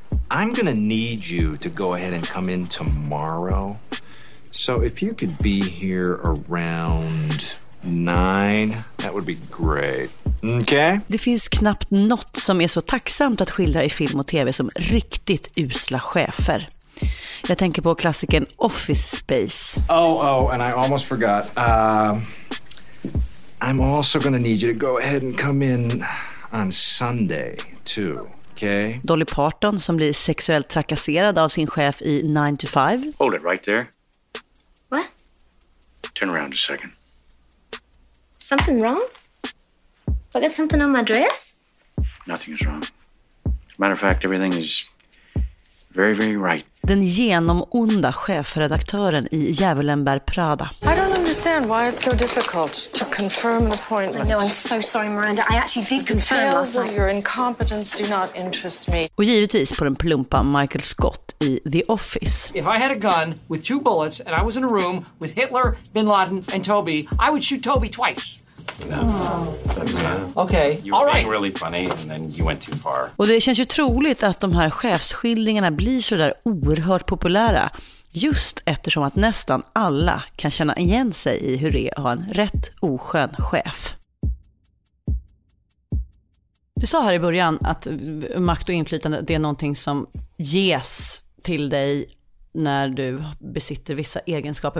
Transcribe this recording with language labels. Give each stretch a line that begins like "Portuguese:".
English: I'm gonna need you to go ahead and come in tomorrow. So if you could be here around 9, that would be great. Okay?
Swedish: Det finns knappt något som är så tacksamt att skildra i film och tv som riktigt usla chefer. Jag tänker på klassiken Office Space.
English: Oh, and I almost forgot. I'm also gonna need you to go ahead and come in on Sunday too. Okay.
Swedish: Dolly Parton som blir sexuellt trakasserad av sin chef i 9 to 5.
English: Hold it right there. What? Turn around a second. Something wrong? I got something on my dress? Nothing is wrong. Matter of fact, everything is very, very right.
Swedish: Den genomonda chefredaktören i Djävulen bär Prada.
English: I don't understand why it's so difficult to confirm an appointment. No, I'm so sorry, Miranda. I actually did confirm last night. The details of your incompetence do not interest me.
Swedish: Och givetvis på den plumpa Michael Scott i The Office.
English: If I had a gun with two bullets and I was in a room with Hitler, Bin Laden and Toby, I would shoot Toby twice. No. Okay. You were being really funny and then you went too far.
Swedish: Och det känns ju troligt att de här chefsskildringarna blir så där oerhört populära just eftersom att nästan alla kan känna igen sig i hur det är att ha en rätt oskön chef. Du sa här i början att makt och inflytande, det är någonting som ges till dig när du besitter vissa egenskaper.